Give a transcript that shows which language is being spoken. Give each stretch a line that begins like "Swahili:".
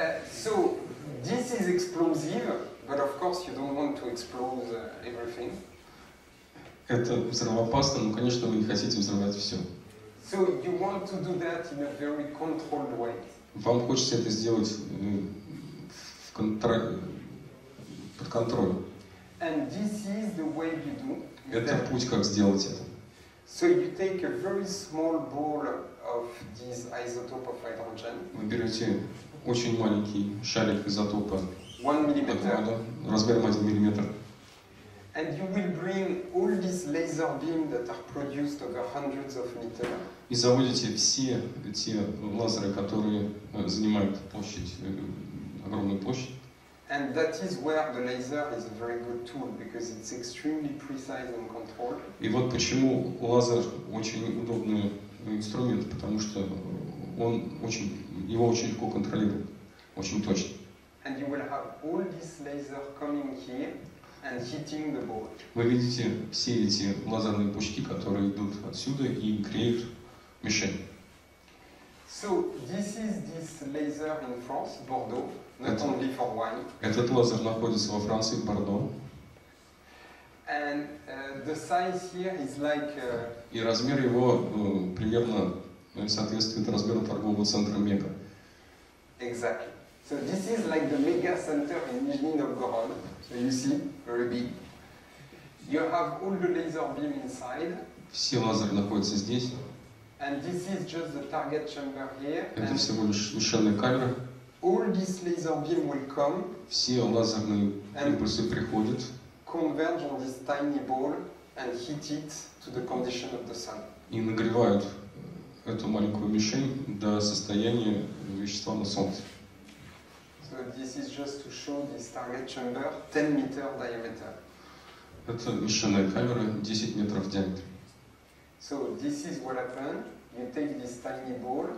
English: So this is explosive, but of course you don't want to explode everything.
Russian: Это взрывоопасно, но, конечно, вы не хотите взрывать все.
English: So you want to do that in a very controlled way.
Russian: Вам хочется это сделать под контролем.
English: And this is the way you do.
Russian: Это путь, как сделать это.
English: So you take a very small ball of this isotope of hydrogen.
Russian: Вы берете очень маленький шарик изотопа.
English: 1 millimeter.
Russian: Размером 1 миллиметр.
English: And you will bring all these laser beams that are produced over hundreds of meters.
Russian: И заводите все эти лазеры, которые занимают площадь, огромную площадь.
English: And that is where the laser is a very good tool because it's extremely precise and controlled.
Russian: И вот почему лазер очень удобный инструмент, потому что он очень, его очень легко контролировать, очень точно.
English: And you will have all these laser coming here and hitting the ball.
Russian: Вы видите все эти лазерные пучки, которые идут отсюда и греют мишень.
English: So this is this laser in France, Bordeaux. Not only for wine.
Russian: Этот лазер находится во Франции, в Бордо.
English: And the size here is like.
Russian: И размер его примерно соответствует размеру торгового центра Мега.
English: Exactly. So this is like the mega center in Nizhny Novgorod. So you see, very big. You have all the laser beam inside.
Russian: Все лазеры находятся здесь.
English: And this is just the target chamber here.
Russian: Это всего лишь смещенная камера.
English: All these laser beam will come.
Russian: Все лазерные импульсы приходят.
English: Converge on this tiny ball and heat it to the condition of the sun.
Russian: И нагревают эту маленькую мишень до состояния вещества на солнце.
English: So this is just to show this target chamber, 10 meter diameter.
Russian: Это смещенная камера, 10 метров в диаметре.
English: So this is what happened. You take this tiny ball.